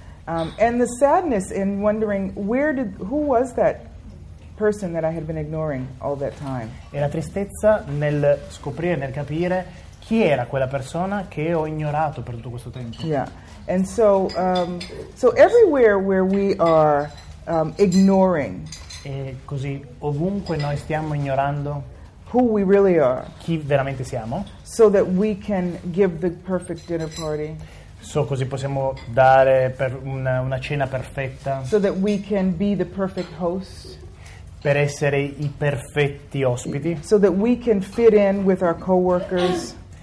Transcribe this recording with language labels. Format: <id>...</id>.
<en>And the sadness in wondering who was that person that I had been ignoring all that time.</en> <it>E la tristezza nel scoprire, nel capire chi era quella persona che ho ignorato per tutto questo tempo.</it> <en>Yeah. And so so everywhere where we are ignoring.</en> <it>E così ovunque noi stiamo ignorando</it> <en>who we really are.</en> <it>Chi veramente siamo.</it> <en>So that we can give the perfect dinner party.</en> <it>So così possiamo dare per una cena perfetta.</it> <en>So that we can be the perfect host.</en> <it>Per essere i perfetti ospiti.</it> <en>So that we can fit in with our coworkers.</en>